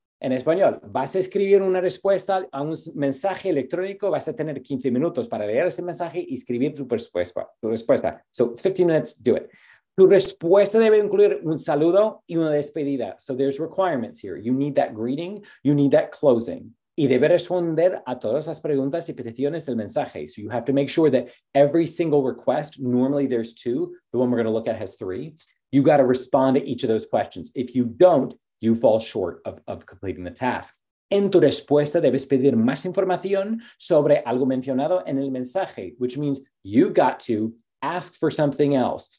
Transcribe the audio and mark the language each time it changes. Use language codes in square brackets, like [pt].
[es] En español, vas a escribir una respuesta a un mensaje electrónico, vas a tener 15 minutos para leer ese mensaje y escribir tu respuesta. [en] So, it's 15 minutes, do it. [es] Tu respuesta debe incluir un saludo y una despedida. [en] So, there's requirements here. You need that greeting, you need that closing. [es] Y debe responder a todas las preguntas y peticiones del mensaje. [en] So, you have to make sure that every single request, normally there's two, the one we're going to look at has three, you got to respond to each of those questions. If you don't, you fall short of completing the task. [es] En tu respuesta debes pedir más información sobre algo mencionado en el mensaje, [en] which means you got to ask for something else.